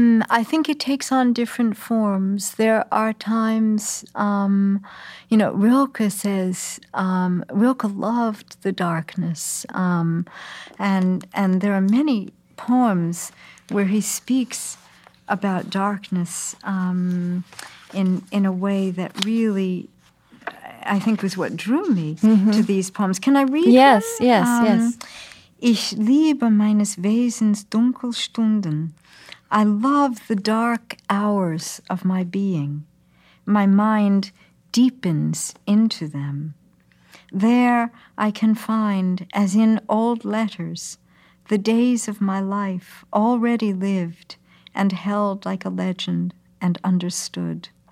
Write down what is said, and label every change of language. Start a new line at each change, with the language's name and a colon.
English: I think it takes on different forms. There are times, you know, Rilke says, Rilke loved the darkness. And there are many poems where he speaks about darkness in a way that really, I think, was what drew me to these poems. Can I read them? Yes.
German: Ich liebe meines Wesens Dunkelstunden.
English: I love the dark hours of my being. My mind deepens into them. There I can find, as in old letters, the days of my life already lived and held like a legend and understood.